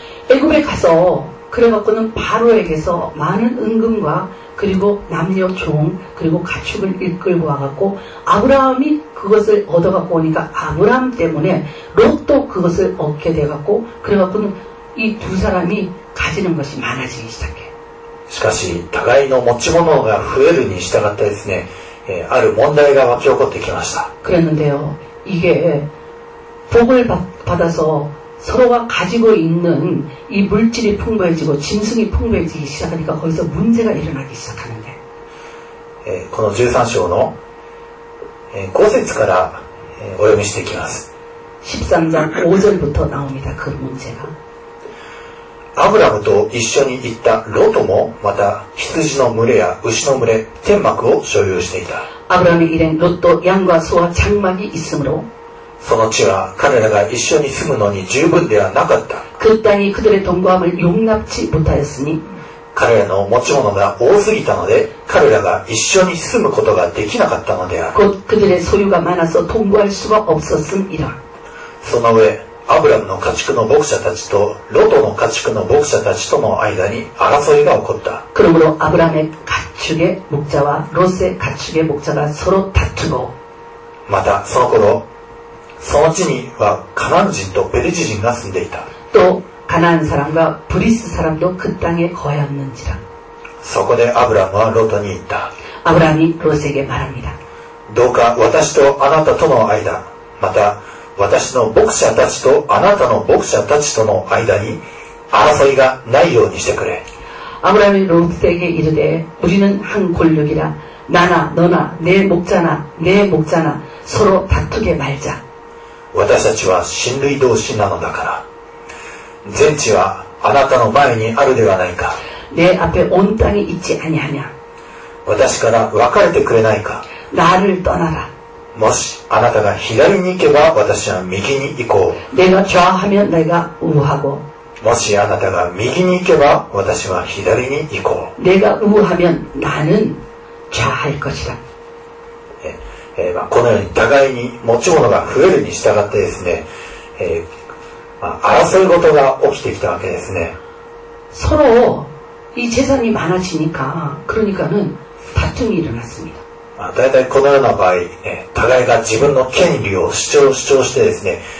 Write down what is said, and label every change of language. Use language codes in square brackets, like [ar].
[ko] 애굽에가서그래갖고는바로에게서많은은금과그리고남녀종그리고가축을이끌고와갖고아브라함이그것을얻어갖고오니까아브라함때문에롯도그것을얻게돼갖고그래갖고는이두사람이가지는것이많아지기시작해 [ja] しかし互いの持ち物が増えるに従ってですね、ある問題が湧き起こってきました。 [ko] 그랬는데요이게복을 받아서서로가가지고있는이물질이풍부해지고짐승이풍부해지기시작하니까거기서문제가일어나기시작하는데 [ja] この13章の5節からお読みしていきます。 [ko] 13장5절부터나옵니다그문제가 [ja] 아브라함と一緒に行ったロトもまた羊の群れや牛の群れ天幕を所有していた。 [ko] 아브라함의일행롯도양과소와장막이있으므로 [ja] その地は彼らが一緒に住むのに十分ではなかった。 [ko] 그땅이그들의동거함을용납지못하였으니 [ja] 彼らの持ち物が多すぎたので彼らが一緒に住むことができなかったのである。 [ko] 곧그들의소유가많아서동거할수가없었음이라 [ja] その上アブラムの家畜の牧者たちとロトの家畜の牧者たちとの間に争いが起こった。 [ko] 그러므로아브라함의가축의목자와로스의가축의목자가서로다투고 [ja] またその頃その地にはカナン人とペリジ人が住んでいた。 [ko] 또가나안사람과브리스사람도그땅에거하였는지라 [ja] そこでアブラムはロトに言った。 [ko] 아브라함이로스에게말합니다 [ja] どうか私とあなたとの間また私の牧者たちとあなたの牧者たちとの間に争いがないようにしてくれ。 [ko] 아브라함이로스에게이르되우리는한골육이라나나너나내목자나내목자나서로다투게말자 [ja] 私たちは親類同士なのだから全地はあなたの前にあるではないか [ko] 내앞에온땅이있지아니하냐 [ja] 私から分かれてくれないか [ko] 나를떠나라 [ja] もしあなたが左に行けば私は右に行こう [ko] 내가좌하면내가우하고 [ja] もしあなたが右に行けば私は左に行こう [ko] 내가우하면나는좌할것이라 [ja] まあ、このように互いに持ち物が増えるに従ってですね、まあ、争い事が起きてきたわけですね。 [ko] 서로이재산이많아지니까그러니까는다툼이일어났습니다。 [ja] まあ、大体このような場合、ね、互いが自分の権利を主張してですね、